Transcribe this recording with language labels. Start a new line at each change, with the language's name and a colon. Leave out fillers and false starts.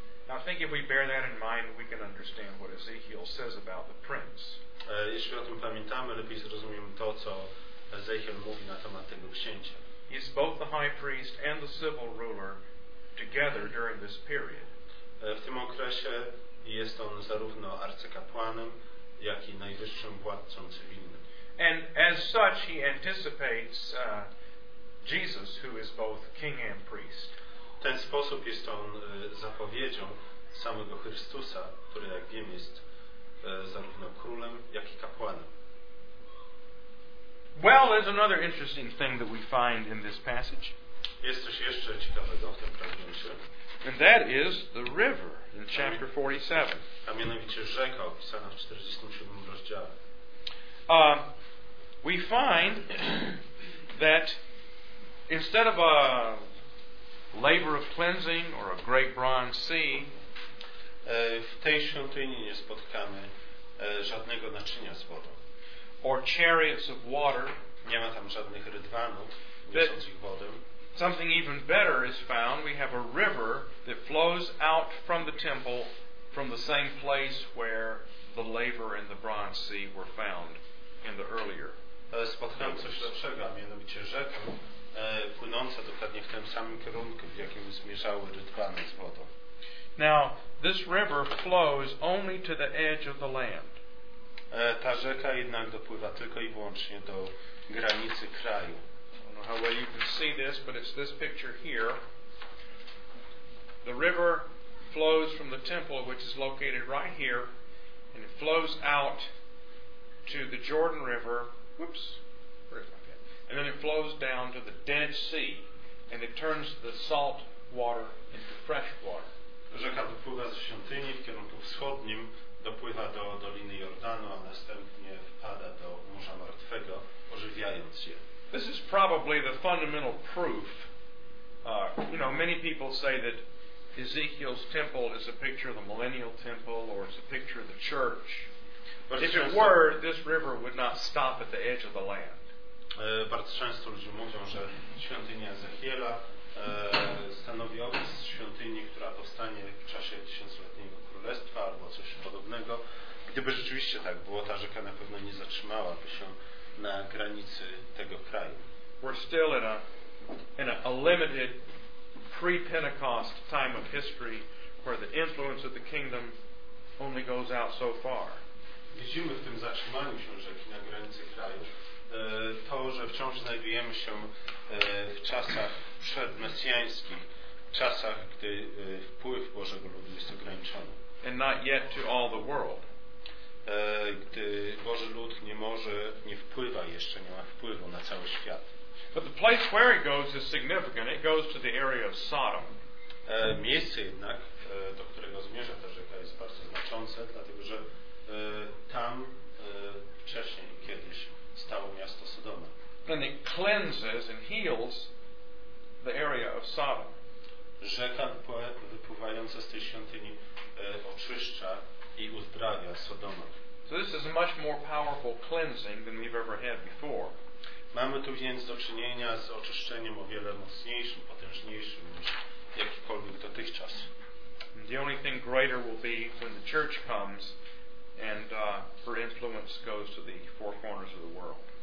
English: Now I think if we bear that in mind, we can understand what Ezekiel says about the prince.
Polish: Jeśli o tym pamiętamy, lepiej zrozumiemy to, co Ezechiel mówi na temat tego księcia.
English: He's both the high priest and the civil ruler together during this period.
Polish: W tym okresie jest on zarówno arcykapłanem, jak i najwyższym władcą cywilnym.
English: And as such, he anticipates Jesus, who is both king and priest.
Polish: W ten sposób jest on zapowiedzią samego Chrystusa, który, jak wiem, jest zarówno królem, jak i kapłanem.
English: Well, there's another interesting thing that we find in this passage.
Polish: Jest coś jeszcze ciekawego w tym fragmencie.
English: And that is the river in chapter 47.
Polish: A mianowicie rzeka opisana w 47 rozdziale.
English: We find that instead of a laver of cleansing or a great bronze sea,
Polish: w tej świątyni nie spotkamy żadnego naczynia z wodą.
English: Or chariots of water.
Polish: Nie ma tam żadnych rydwanów niosących wodę.
English: Something even better is found. We have a river that flows out from the temple from the same place where the laver and the bronze sea were found in the earlier.
Polish: Spotkamy coś lepszego, a mianowicie rzekę płynącą dokładnie w tym samym kierunku, w jakim zmierzały rydwany z wodą.
English: Now, this river flows only to the edge of the land.
Polish: Ta rzeka jednak dopływa tylko i wyłącznie do granicy kraju.
English: I don't know how well you can see this, but it's this picture here. The river flows from the temple, which is located right here, and it flows out to the Jordan River. Whoops. Where is my pen? And then it flows down to the Dead Sea, and it turns the salt water into fresh water.
Polish: Rzeka wypływa ze świątyni w kierunku wschodnim, dopływa do Doliny Jordanu, a następnie wpada do Morza Martwego, ożywiając je.
English: This is probably the fundamental proof. You know, many people say that Ezekiel's temple is a picture of the millennial temple, or it's a picture of the church.
Polish: Bardzo
English: If it
Polish: często,
English: were, this river would not stop at the edge of the land.
Polish: Bardzo często ludzie mówią, że świątynia Ezechiela stanowi obraz świątyni, która powstanie w czasie tysiącletniego królestwa albo coś podobnego. Gdyby rzeczywiście tak było, ta rzeka na pewno nie zatrzymałaby się na granicy tego kraju.
English: We're still at a in a limited pre-Pentecost time of history where the influence of the kingdom only goes out so far.
Polish: Widzimy w tym zatrzymaniu się rzeki na granicy kraju to, że wciąż znajdujemy się w czasach przedmesjańskich, w czasach, gdy wpływ Bożego Ludu jest ograniczony.
English: And not yet to all the world.
Polish: Gdy Boży Lud nie może, nie wpływa jeszcze, nie ma wpływu na cały świat.
English: But the place where it goes is significant. It goes to the area of Sodom.
Polish: Miejsce jednak, do którego zmierza ta rzeka, jest bardzo znaczące, dlatego że tam wcześniej kiedyś stało miasto Sodoma.
English: And it cleanses and heals the area of Sodom.
Polish: Rzeka wypływająca z tej świątyni oczyszcza i uzdrawia Sodoma.
English: So this is a much more powerful cleansing than we've ever had before.
Polish: Mamy tu więc do czynienia z oczyszczeniem o wiele mocniejszym, potężniejszym niż jakikolwiek dotychczas.
English: The only thing greater will be when the church comes and her influence goes to the four corners of the world.